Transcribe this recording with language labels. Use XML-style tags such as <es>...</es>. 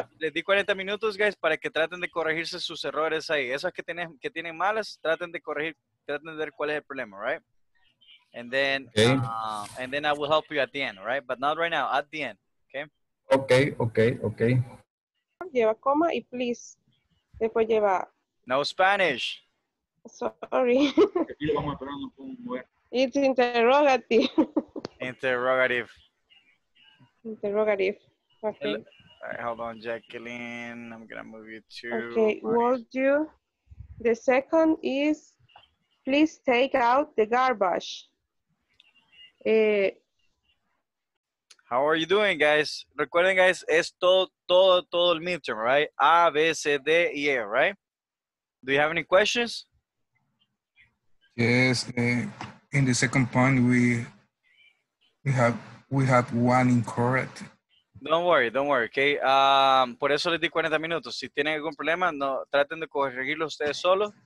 <es>Les di 40 minutos, guys, para que traten de corregirse sus errores ahí. Esas que tienen malas, traten de corregir. Traten de ver cuál es el problema, right?</es> <en>And then, okay. And then I will help you at the end, right? But not right now, at the end, okay? Okay, okay, okay.</en> <es>Lleva coma y please. Después lleva...</es> <en>No Spanish. Sorry. It's interrogative. Interrogative. Interrogative. Okay. All right, hold on, Jacqueline. I'm going to move you to... Okay, would you... The second is... Please take out the garbage. How are you doing, guys?</en> <es>Recuerden, guys, es todo el midterm, right? A, B, C, D, E, A, right?</es> <en>Do you have any questions? Yes. In the second point, we have one incorrect. Don't worry, okay?</en> <es>Por eso les di 40 minutos. Si tienen algún problema, no traten de corregirlo ustedes solos.</es>